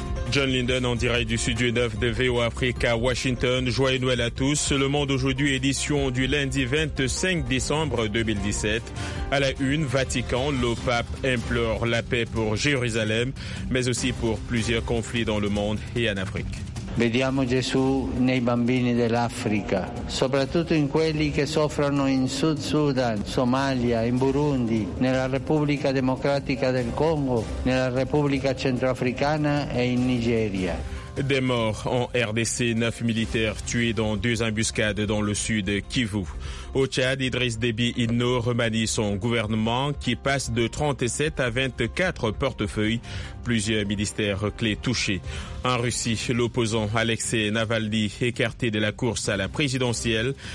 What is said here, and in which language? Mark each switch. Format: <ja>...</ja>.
<fr>John Linden en direct du studio 9 de VO Afrique à Washington. Joyeux Noël à tous. Le Monde aujourd'hui, édition du lundi 25 décembre 2017. À la une, Vatican, le pape implore la paix pour Jérusalem, mais aussi pour plusieurs conflits dans le monde et en Afrique.</fr> <it>Vediamo Gesù nei bambini dell'Africa, soprattutto in quelli che soffrono in Sud Sudan, Somalia, in Burundi, nella Repubblica Democratica del Congo, nella Repubblica Centrafricana e in Nigeria.</it> <fr>Des morts en RDC, 9 militaires tués dans 2 embuscades dans le sud Kivu. Au Tchad, Idriss Déby Itno remanie son gouvernement qui passe de 37 à 24 portefeuilles. Plusieurs ministères clés touchés. En Russie, l'opposant Alexei Navalny écarté de la course à la présidentielle.</fr>